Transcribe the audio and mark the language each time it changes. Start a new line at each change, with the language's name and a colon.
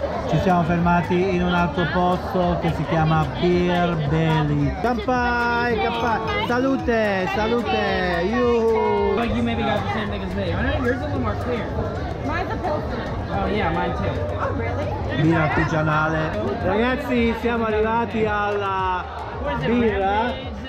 Italian: Ci siamo fermati in un altro posto che si chiama Beer Belly.
Japanese: Kanpai! Kanpai!
Italian: Salute! Salute!
English: You! But you maybe got the same thing as me. Yours is a little more clear. Mine's a pilsner. Oh yeah, mine too. Oh really?
Italian: Birra artigianale. Ragazzi, siamo arrivati alla birra.